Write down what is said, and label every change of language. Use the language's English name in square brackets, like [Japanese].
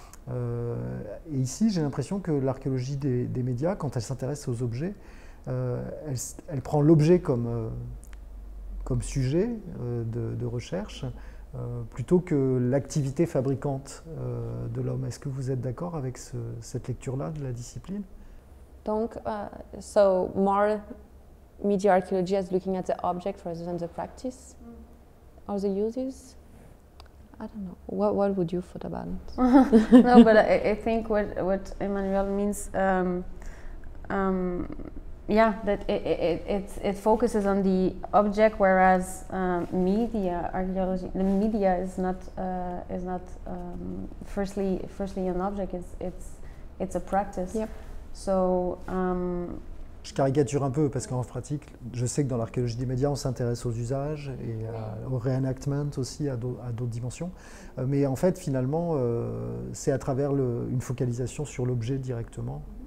[French] Et ici, j'ai l'impression que l'archéologie des médias, quand elle s'intéresse aux objets, elle prend l'objet comme sujet de recherche, plutôt que l'activité fabricante de l'homme. Est-ce que vous êtes d'accord avec cette lecture-là de la discipline? [English] Donc, so more media archaeology as looking at the object rather than the practice or the uses. I don't know. What would you thought about it? No, but I think what Emmanuel means, that it focuses on the object, whereas media archaeology, the media is not firstly an object. It's a practice. Yep. So, [French] je caricature un peu parce qu'en pratique, je sais que dans l'archéologie des médias, on s'intéresse aux usages et au reenactment aussi, à d'autres dimensions. Mais en fait, finalement, c'est à travers une focalisation sur l'objet directement.